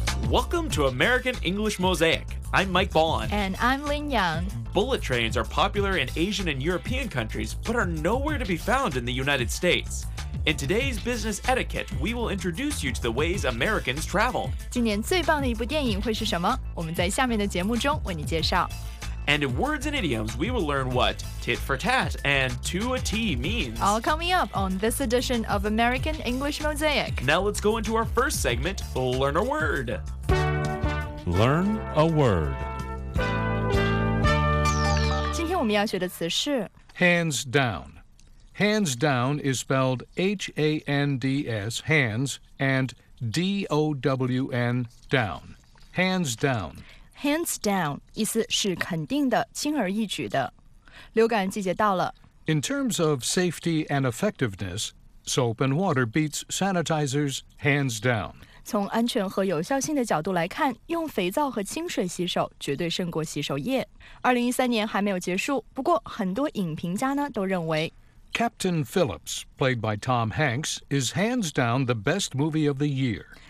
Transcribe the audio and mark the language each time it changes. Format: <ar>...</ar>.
<en>Welcome to American English Mosaic. I'm Mike Bolan. And I'm Lin Yang. Bullet trains are popular in Asian and European countries, but are nowhere to be found in the United States. In today's business etiquette, we will introduce you to the ways Americans travel.</en> <zh>今年最棒的一部电影会是什么?我们在下面的节目中为你介绍。</zh> <en>And in words and idioms, we will learn what tit for tat and to a T means. All coming up on this edition of American English Mosaic. Now let's go into our first segment, Learn a Word. Learn a Word.</en> <zh>今天我们要学的词是</zh> <en>Hands down. Hands down is spelled H-A-N-D-S, hands, and D-O-W-N, down. Hands down. Hands down,</en> <zh>意思是肯定的,轻而易举的。流感季节到了。</zh> <en>In terms of safety and effectiveness, soap and water beats sanitizers hands down.</en> <zh>从安全和有效性的角度来看,用肥皂和清水洗手绝对胜过洗手液。2013年还没有结束,不过很多影评家呢都认为</zh> <en>Captain Phillips, played by Tom Hanks, is hands down the best movie of the year.</en>